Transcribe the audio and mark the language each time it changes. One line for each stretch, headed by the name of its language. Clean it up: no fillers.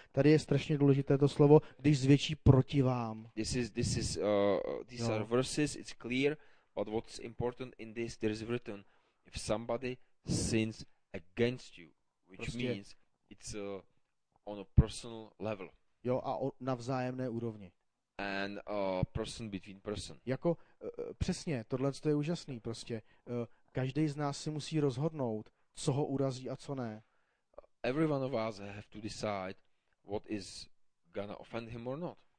Czech: Tady je strašně důležité to slovo, když zvětší proti vám.
English: These are verses, it's clear, but what's important in this, there is written, if somebody sins against you, which prostě means it's on a personal level.
Czech: Jo, a na vzájemné úrovni.
English: and a person between person.
Czech: Jako přesně, tohle to je úžasný prostě. Každý z nás si musí rozhodnout, co ho urazí a co ne.
English: Every one of us have to decide what is gonna offend him or not.